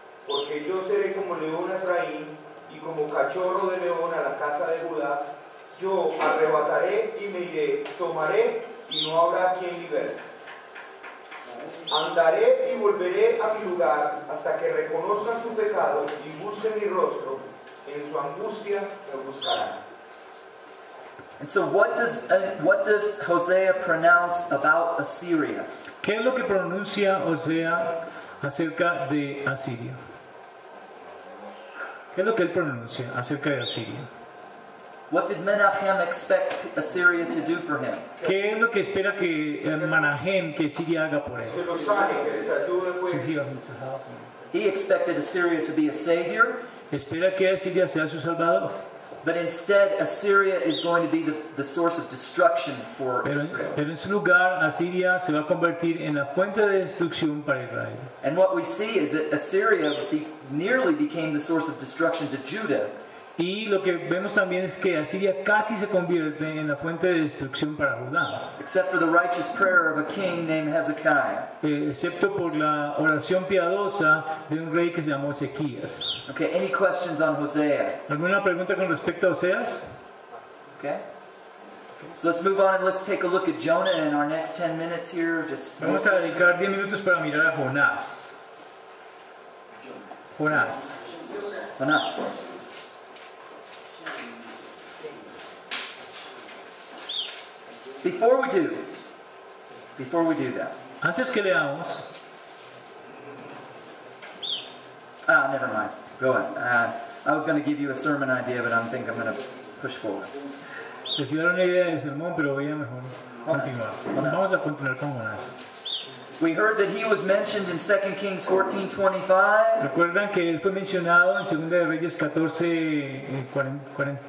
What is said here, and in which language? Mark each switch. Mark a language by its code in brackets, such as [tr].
[es] Porque yo seré como león a Efraín, y como cachorro de león a la casa de Judá. Yo arrebataré y me iré, tomaré, y no habrá quien libere. Andaré y volveré a mi lugar hasta que reconozcan su pecado y busquen mi rostro. En su angustia lo buscarán. [en] And so what does Hosea pronounce about Assyria? [es] ¿Qué es lo que pronuncia Hosea acerca de Asiria? ¿Qué es lo que él pronuncia acerca de Asiria? [en] What did Menahem expect Assyria to do for him? [es] ¿Qué es lo que espera que Menahem, que Siria haga por él? Que lo sane, que les ayude, pues. [en] He expected Assyria to be a savior. [es] ¿Espera que Asiria sea su salvador? [en] But instead, Assyria is going to be the source of destruction for Israel. [es] Pero en su lugar, Asiria se va a convertir en la fuente de destrucción para Israel. [en] And what we see is that Assyria nearly became the source of destruction to Judah. [es] Y lo que vemos también es que Asiria casi se convierte en la fuente de destrucción para Judá. [en] Except for the righteous prayer of a king named Hezekiah. [es] Excepto por la oración piadosa de un rey que se llamó Ezequías. [en] Okay, any questions on Hosea? [es] ¿Alguna pregunta con respecto a Oseas? [en] Okay. So let's move on and let's take a look at Jonah in our next 10 minutes here. [es] Vamos a dedicar 10 minutos para mirar a Jonás. Jonás. Jonás. [en] Before we do that. [es] Antes que leamos. [en] Never mind. Go on. I was going to give you a sermon idea, but I think I'm going to push forward. [es] Les iba a dar una idea de sermón, pero voy a mejor continuar. Vamos a continuar con Jonás. [en] We heard that he was mentioned in 2 Kings 14:25. [es] ¿Recuerdan que él fue mencionado en Segunda de Reyes 14:49?